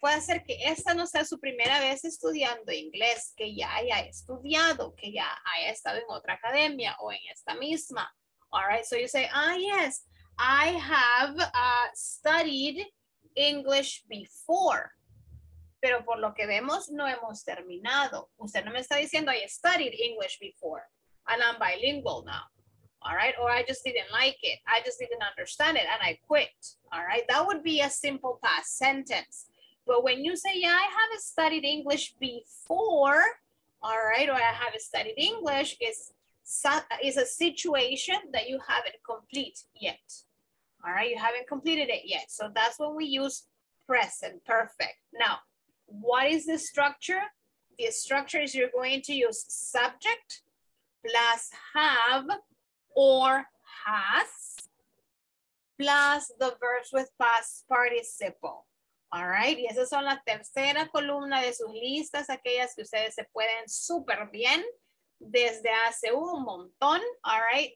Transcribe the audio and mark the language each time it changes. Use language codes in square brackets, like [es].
[es] Puede ser que esta no sea su primera vez estudiando inglés, que ya haya estudiado, que ya haya estado en otra academia o en esta misma. [en] All right, so you say, ah, yes, I have studied English before. [es] Pero por lo que vemos, no hemos terminado. Usted no me está diciendo, [en] I studied English before, and I'm bilingual now. All right, or I just didn't like it. I just didn't understand it, and I quit. All right, that would be a simple past sentence. But when you say, yeah, I have studied English before, all right, or I have studied English, is a situation that you haven't complete yet. All right, you haven't completed it yet. So that's when we use present perfect. Now, what is the structure? The structure is you're going to use subject plus have or has plus the verbs with past participle. [es] All right, y esas son la tercera columna de sus listas, aquellas que ustedes se pueden súper bien desde hace un montón, all right?